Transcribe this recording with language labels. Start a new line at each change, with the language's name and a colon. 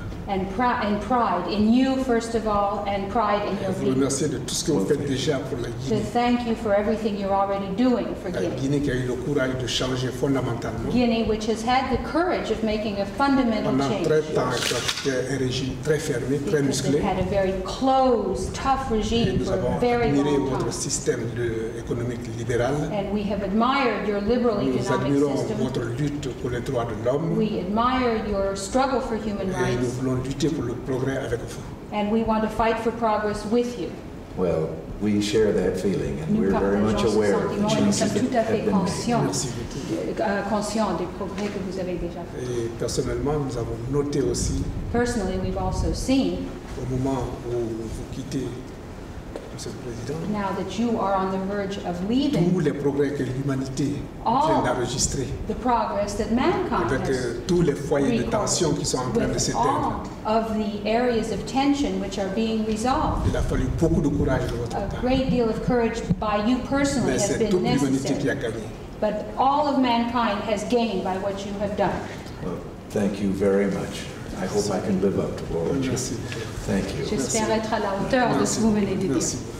English: and pride in you, first of all, and pride in your people.
French: Je vous remercie de tout ce que vous faites déjà pour la Guinée.
English: To thank you for everything you're already doing for Guinea.
French: Guinée qui a eu le courage de changer fondamentalement.
English: Guinea, which has had the courage of making a fundamental change.
French: Pendant très tard, c'était un régime très fermé, très musclé.
English: Because they had a very closed, tough regime for a very long time.
French: Nous avons admiré votre système économique libéral.
English: And we have admired your liberal economic system.
French: Nous admirons votre lutte pour les droits de l'homme.
English: We admire your struggle for human rights.
French: Et nous voulons lutter pour le progrès avec vous.
English: And we want to fight for progress with you. Well, we share that feeling, and we're very much aware of the changes that have been made.
French: Conscient des progrès que vous avez déjà fait. Et personnellement, nous avons noté aussi.
English: Personally, we've also seen.
French: Au moment où vous quittez, Monsieur le Président.
English: Now that you are on the verge of leaving.
French: Tous les progrès que l'humanité vient d'enregistrer.
English: The progress that mankind has.
French: Avec tous les foyers de tension qui sont en train de s'éteindre.
English: Of the areas of tension which are being resolved.
French: Il a fallu beaucoup de courage de votre part.
English: A great deal of courage by you personally has been necessary.
French: Mais c'est toute l'humanité qui a gagné.
English: But all of mankind has gained by what you have done. Well, thank you very much. I hope I can live up to all of you. Thank you.
French: J'espère être à la hauteur de ce que vous venez de dire.